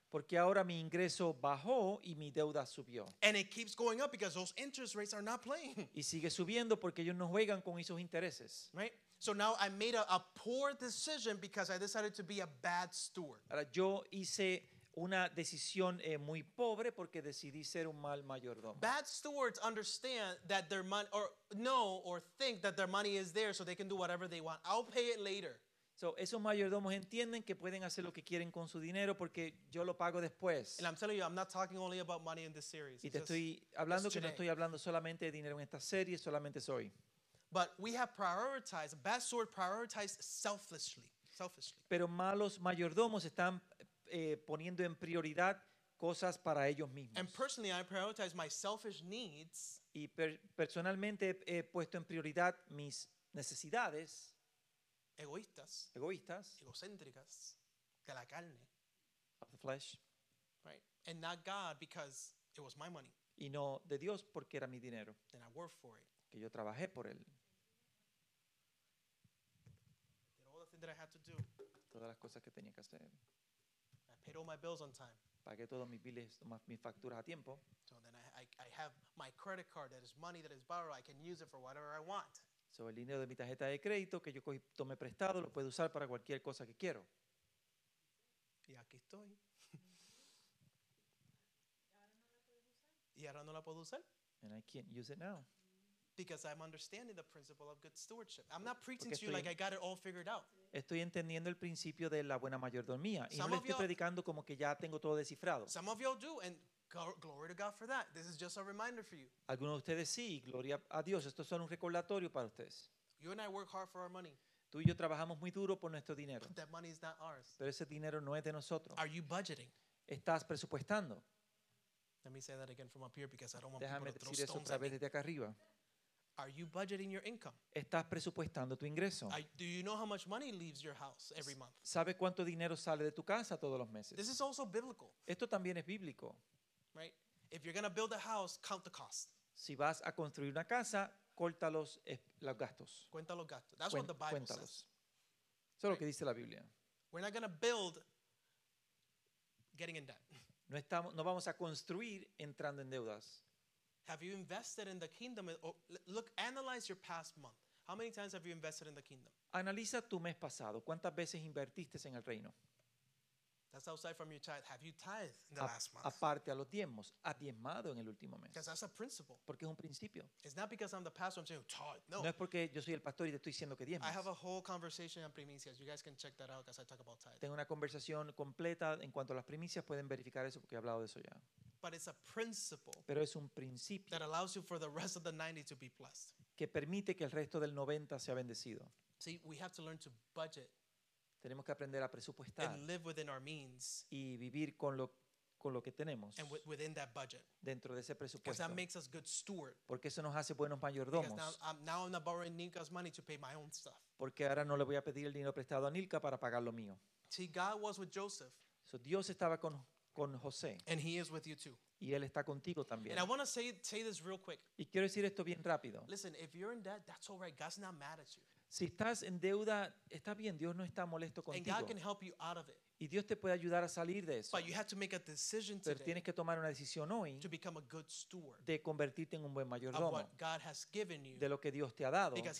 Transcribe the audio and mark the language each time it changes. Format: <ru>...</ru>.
<es>Porque ahora mi ingreso bajó y mi deuda subió.</es> <en>And it keeps going up because those interest rates are not playing.</en> <es>Y sigue subiendo porque ellos no juegan con esos intereses.</es> <en>Right? So now I made a poor decision because I decided to be a bad steward.</en> <es>Ahora yo hice una decisión muy pobre porque decidí ser un mal mayordomo.</es> <en>Bad stewards understand that their money, or know or think that their money is there so they can do whatever they want. I'll pay it later.</en> <es>So esos mayordomos entienden que pueden hacer lo que quieren con su dinero porque yo lo pago después.</es> <en>And I'm telling you, I'm not talking only about money in this series.</en> <es>Y te estoy hablando que no estoy hablando solamente de dinero en esta serie, solamente soy.</es> <en>But we have prioritized, bad steward prioritized selfishly.</en> <es>Pero malos mayordomos están poniendo en prioridad cosas para ellos mismos.</es> <en>And personally, I prioritize my selfish needs.</en> <es>Y personalmente he puesto en prioridad mis necesidades. Egoístas, egocéntricas, de la carne,</es> <en>of the flesh, right, and not God because it was my money.</en> <es>Y no de Dios porque era mi dinero.</es> <en>And I worked for it.</en> <es>Que yo trabajé por él.</es> <en>Did all the things that I had to do.</en> <es>Todas las cosas que tenía que hacer.</es> <en>I paid all my bills on time.</en> <es>Pagué todos mis billes, mis facturas a tiempo.</es> <en>So then I have my credit card that is money that is borrowed. I can use it for whatever I want.</en> <es>So, el dinero de mi tarjeta de crédito que yo cogí, tomé prestado, lo puedo usar para cualquier cosa que quiero. Y aquí estoy. Y ahora no la puedo usar.</es> <en>And I can't use it now. Because I'm understanding the principle of good stewardship. I'm not preaching to you like I got it all figured out.</en> <es>Estoy entendiendo el principio de la buena mayordomía. Y no le estoy predicando como que ya tengo todo descifrado.</es> <en>Some of y'all do, and glory to God for that. This is just a reminder for you.</en> <es>Algunos de ustedes sí, gloria a Dios. Esto es solo un recordatorio para ustedes.</es> <en>You and I work hard for our money.</en> <es>Tú y yo trabajamos muy duro por nuestro dinero.</es> <en>But that money is not ours.</en> <es>Pero ese dinero no es de nosotros.</es> <en>Are you budgeting?</en> <es>¿Estás presupuestando?</es> <en>Let me say that again from up here because I don't want</en> <es>Déjame</es> <en>people to throw stones at me.</en> <es>Desde acá arriba.</es> <en>Are you budgeting your income?</en> <es>¿Estás presupuestando tu ingreso?</es> <en>Do you know how much money leaves your house every month?</en> <es>¿Sabe cuánto dinero sale de tu casa todos los meses?</es> <en>This is also biblical.</en> <es>Esto también es bíblico.</es> <en>Right? If you're going to build a house, count the cost.</en> <es>Si vas a construir una casa, corta los gastos. Cuenta los gastos.</es> <en>That's what the Bible</en> <es>cuéntalos.</es> <en>Says.</en> <es>Eso es right? lo que dice la Biblia.</es> <en>We're not going to build getting in debt.</en> <es>No vamos a construir entrando en deudas.</es> <en>Have you invested in the kingdom? Look, analyze your past month. How many times have you invested in the kingdom?</en> <es>Analiza tu mes pasado. ¿Cuántas veces invertiste en el reino?</es> <en>That's outside from your tithe. Have you tithed in the last month?</en> <es>Aparte a los diezmos, ha diezmado en el último mes.</es> <en>Because that's a principle.</en> <es>Porque es un principio.</es> <en>It's not because I'm the pastor, I'm saying tithe.</en> <es>No. No es porque yo soy el pastor y te estoy diciendo que diezmes.</es> <en>I have a whole conversation on primicias. You guys can check that out because I talk about tithe.</en> <es>Tengo una conversación completa en cuanto a las primicias. Pueden verificar eso porque he hablado de eso ya.</es> <en>But it's a principle.</en> <es>Pero es un principio.</es> <en>That allows you for the rest of the 90 to be blessed.</en> <es>Que permite que el resto del 90 sea bendecido.</es> <en>See, we have to learn to budget.</en> <es>Tenemos que aprender a presupuestar</es> <en>and live within our means</en> <es>y vivir con lo que tenemos</es> <en>and within that budget.</en> <es>Dentro de ese presupuesto.</es> <en>Because that makes us good steward.</en> <es>Porque eso nos hace buenos mayordomos.</es> <en>Now I'm not borrowing Nilka's money to pay my own stuff.</en> <es>Porque ahora no le voy a pedir el dinero prestado a Nilka para pagar lo mío.</es> <en>See, God was with Joseph.</en> <es>So Dios estaba con José.</es> <en>And he is with you too.</en> <es>Y él está contigo también.</es> <en>And I want to say this real quick.</en> <es>Y quiero decir esto bien rápido.</es> <en>Listen, if you're in debt, that's all right. God's not mad at you.</en> <es>Si estás en deuda, está bien, Dios no está molesto contigo. Y Dios te puede ayudar a salir de eso. Pero tienes que tomar una decisión hoy de convertirte en un buen mayordomo de lo que Dios te ha dado.</es>